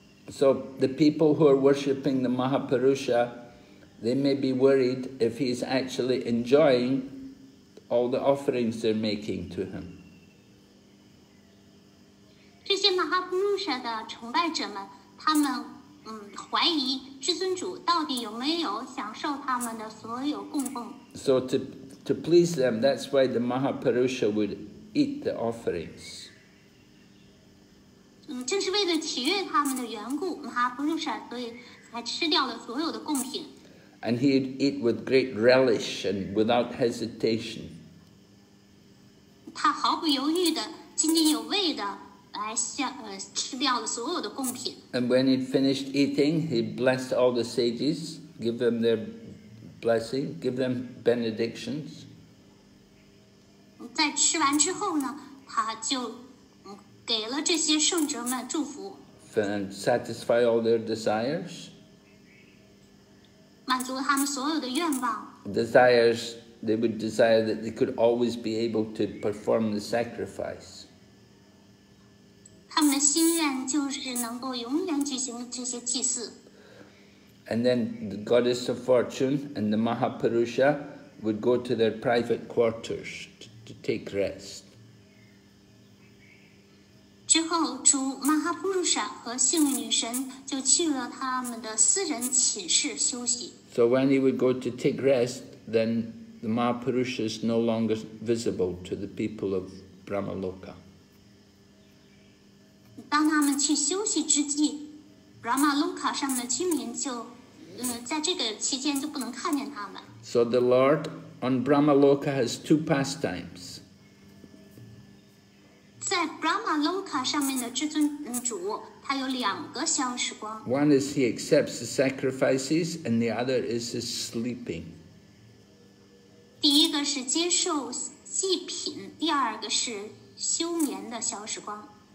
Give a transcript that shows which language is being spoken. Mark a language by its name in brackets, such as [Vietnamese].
[English] So the people who are worshipping the Mahapurusha, they may be worried if he is actually enjoying all the offerings they're making to him. [Chinese] 这些马哈普鲁舍的崇拜者们，他们怀疑至尊主到底有没有享受他们的所有供奉。 [English] So to please them, that's why the Mahapurusha would eat the offerings. [Chinese] 正是为了取悦他们的缘故，马哈普鲁舍所以才吃掉了所有的供品。 [English] And he'd eat with great relish and without hesitation. [Chinese] 他毫不犹豫地津津有味地来吃掉了所有的贡品。 [English] And when he'd finished eating, he'd bless all the sages, give them their blessing, give them benedictions. [Chinese] 在吃完之后呢，他就给了这些圣者们祝福。 [English] And satisfy all their desires. [Chinese] 满足他们所有的愿望。 [English] Desires, they would desire that they could always be able to perform the sacrifice. [Chinese] 他们的心愿就是能够永远举行这些祭祀。 [English] And then the goddess of fortune and the Mahapurusha would go to their private quarters to take rest. [Chinese] 之后，主马哈普鲁舍和幸运女神就去了他们的私人寝室休息。 [English] So when he would go to take rest, then the Mahapurusha is no longer visible to the people of Brahmaloka. [Chinese] 当他们去休息之际 ，Brahmaloka 上的居民就，在这个期间就不能看见他们。 [English] So the Lord on Brahmaloka has two pastimes. [Chinese] 在 Brahmaloka 上面的至尊主。他有两个逍遥时光。 [English] One is he accepts the sacrifices, and the other is his sleeping. [Chinese] 第一个是接受祭品，第二个是休眠的逍遥时光。